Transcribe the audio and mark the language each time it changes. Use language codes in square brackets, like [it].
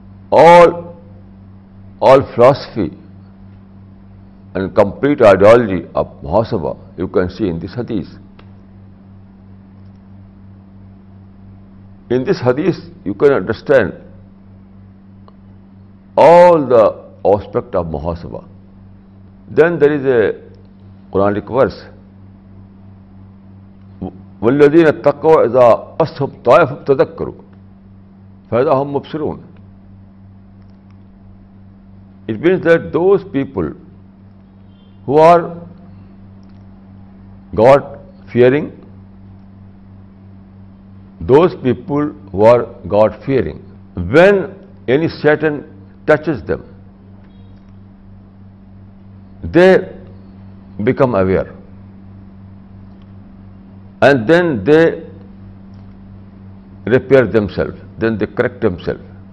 [en] All philosophy and complete ideology of muhasaba you can see in this hadith. In this hadith you can understand all the aspect of muhasaba. Then there is a Quranic verse [ar] والذین اتقوا اذا قصهم طائف تذکروا فاذا هم مبصرون. [en] It means that those people who are God fearing, those people who are God fearing, when any Satan touches them, they become aware, and then they repair themselves, then they correct themselves.